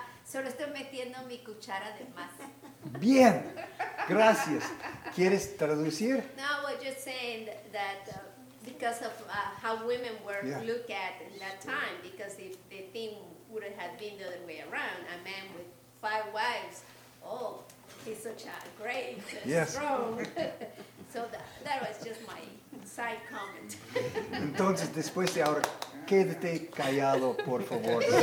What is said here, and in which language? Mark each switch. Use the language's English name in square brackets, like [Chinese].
[Spanish] Solo estoy metiendo mi cuchara de más. Bien, gracias. ¿Quieres traducir? [English] No, we're just saying that because of how women were yeah. looked at in that time, because if the thing would have been the other way around, a man with five wives, oh, he's such a great and yes. strong. So that was just my side comment. [Spanish] Entonces, después de ahora, quédate callado, por favor.